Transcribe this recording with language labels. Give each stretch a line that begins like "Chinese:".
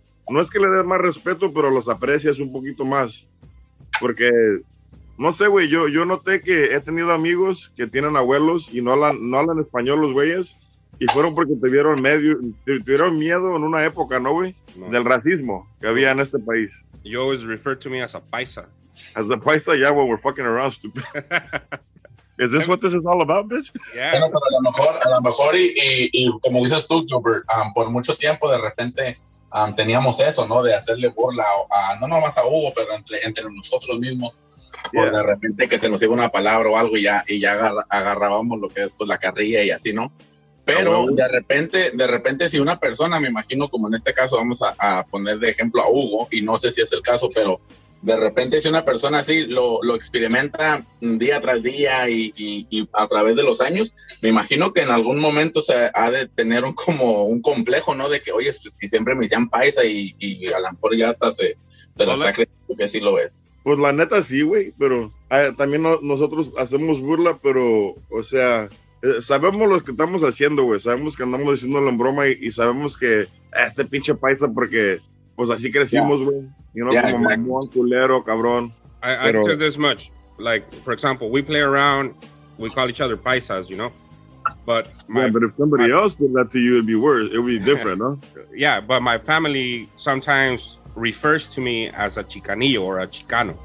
Spanish: No es que le dé más respeto, pero los aprecias un poquito más. Porque, no sé, güey, yo noté que he tenido amigos que tienen abuelos y no hablan español los güeyes. Y fueron porque tuvieron miedo en una época, ¿no, güey? No. Del racismo que había en este país.
English: You always refer to me as a paisa. As a paisa, yeah, when we're fucking around, stupid. Is this what this is all about, bitch? Yeah.
Spanish: Bueno, pero a lo mejor y como dices tú, Gilbert, por mucho tiempo de repente teníamos eso, ¿no? De hacerle burla a no nomás a Hugo, pero entre nosotros mismos. Yeah. Por de repente que se nos iba una palabra o algo y ya agarrábamos lo que es pues, la carrilla y así, ¿no? Pero de repente, si una persona, me imagino, como en este caso, vamos a poner de ejemplo a Hugo, y no sé si es el caso, pero de repente si una persona así lo experimenta día tras día y a través de los años, me imagino que en algún momento se ha de tener un complejo, ¿no? De que, oye, si siempre me decían paisa y a lo mejor ya hasta se lo está creyendo que sí lo es. Pues la neta sí, güey, pero también nosotros hacemos burla, pero, o sea... sabemos lo que estamos haciendo, güey. Sabemos que andamos diciéndolo en broma y sabemos que este pinche paisa porque pues así crecimos, güey.
English: Yeah. You know, yeah,
Spanish: como
English: exactly.
Spanish: Mamón, culero, cabrón.
English: I can tell this much. Like, for example, we play around, we call each other paisas, you know? But if somebody else did that to you, it'd be worse. It would be different, huh? Yeah, but my family sometimes refers to me as a chicanillo or a chicano.